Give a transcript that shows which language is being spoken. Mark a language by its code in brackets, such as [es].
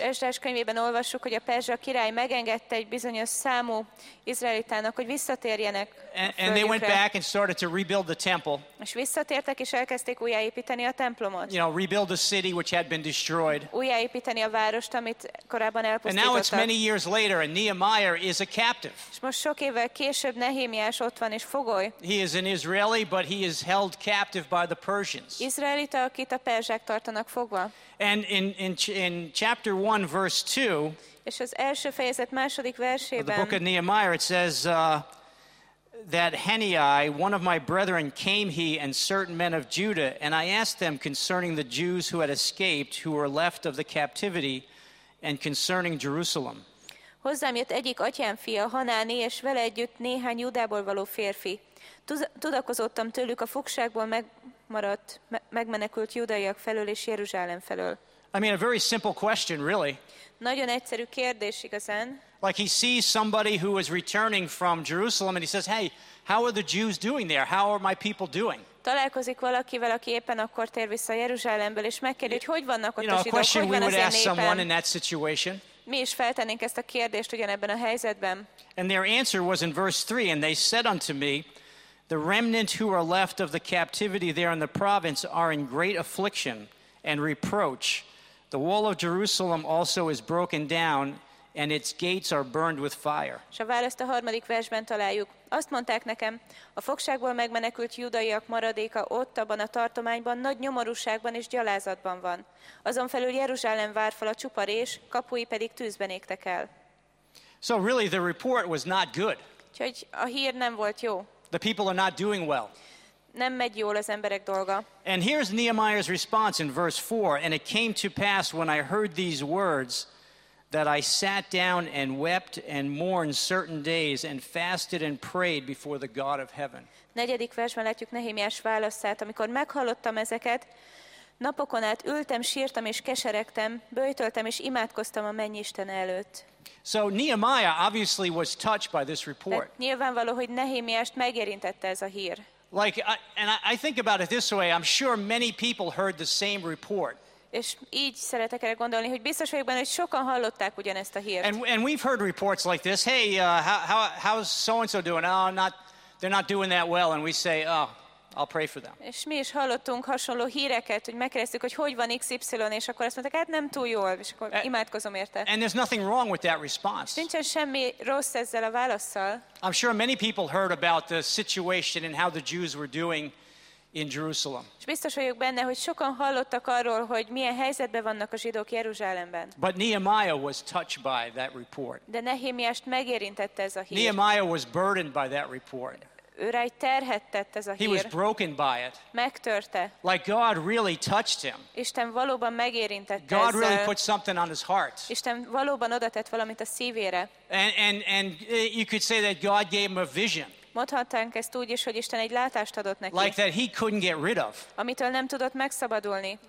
[hu] Ezrás könyvében olvassuk, hogy a perzsa király megengedte egy bizonyos számú izraelitának, hogy visszatérjenek. [en] And they went back and started to rebuild the temple. [hu] És visszatértek és elkezdték újjáépíteni a templomot. [en] You know, rebuild the city which had been destroyed. [hu] Újjáépíteni a várost, amit korábban elpusztítottak. [en] And now it's many years later and Nehemiah is a captive. [hu] És most sok évvel később Nehémiás ott van és fogoly. [en] He is an Israeli, but he is held captive by the Persians. [hu] Izraelita, akit a perzsák tartanak fogva. [en] And in chapter 1 verse 2, [hu] és az első fejezet második versében, [en] of the book of Nehemiah, it says that Hanani, one of my brethren, came he and certain men of Judah, and I asked them concerning the Jews who had escaped, who were left of the captivity, and concerning Jerusalem. [hu] Hozzám jött egyik atyám fia, Hanani, és vele együtt néhány Judából való férfi. Tudakozottam tőlük a fogságból megmenekült judaiak felől és Jeruzsálem felől. [en] I mean, a very simple question, really. [hu] Nagyon egyszerű kérdés, igazán. [en] Like he sees somebody who is returning from Jerusalem and he says, hey, how are the Jews doing there? How are my people doing? [hu] Találkozik valakivel, aki éppen akkor tér vissza Jeruzsálemből, és megkérdezi, hogy hogy vannak ott a zsidók, hogy van az én népem? [en] You know, a question we would ask someone in that situation. [hu] Mi is feltennénk ezt a kérdést ugyanebben a helyzetben. [en] And their answer was in verse 3, and they said unto me, the remnant who are left of the captivity there in the province are in great affliction and reproach. The wall of Jerusalem also is broken down, and its gates are burned with fire. [hu] S a választ a harmadik versben találjuk. Azt mondták nekem, a fogságból megmenekült judaiak maradéka ott, abban a tartományban, nagy nyomorúságban és gyalázatban van. Azon felül Jeruzsálem várfala csupa rés, kapui pedig tűzben égtek el. [en] So really the report was not good. [hu] Úgyhogy a hír nem volt jó. [en] The people are not doing well. [hu] Nem megy jól az emberek dolga. [en] And here's Nehemiah's response in verse 4. And it came to pass when I heard these words that I sat down and wept and mourned certain days and fasted and prayed before the God of heaven. [hu] Negyedik versben látjuk Nehémiás válaszát, amikor meghallottam ezeket, napokon át ültem, sírtam és keseregtem, böjtöltem és imádkoztam a mennyisten előtt. [en] So Nehemiah obviously was touched by this report. [hu] De nyilvánvaló, hogy Nehémiást megérintette ez a hír. [en] Like, I think about it this way, I'm sure many people heard the same report. [hu] És így szeretek erre gondolni, hogy biztos vagyok benne, hogy sokan hallották ugyanezt a hírt. [en] And we've heard reports like this. Hey, how's so and so doing? Oh, they're not doing that well. And we say, oh, I'll pray for them. [hu] És mi is hallottunk hasonló híreket, hogy megkérdeztük, hogy hogy van XY, és akkor azt mondták, hát nem túl jól, és akkor imádkozom érte. [en] And there's nothing wrong with that response. [hu] Nincsen semmi rossz ezzel a válaszsal. [en] I'm sure many people heard about the situation and how the Jews were doing in Jerusalem. [hu] És biztos vagyok benne, hogy sokan hallottak arról, hogy milyen helyzetben vannak a zsidók Jeruzsálemben. [en] But Nehemiah was touched by that report. [hu] De Nehémiást megérintette ez a hír. [en] Nehemiah was burdened by that report. [hu] Ő rá egy terhet tett ez a hír. [en] He was broken by it. [hu] Megtörte. [en] Like God really touched him. [hu] Isten valóban megérintette ezzel. [en] God really put something on his heart. [hu] Isten valóban oda tett valamit a szívére. [en] And you could say that God gave him a vision. [hu] Mondhatnánk ezt úgy is, hogy Isten egy látást adott neki. [en] Like that he couldn't get rid of. [hu] Amitől nem tudott megszabadulni.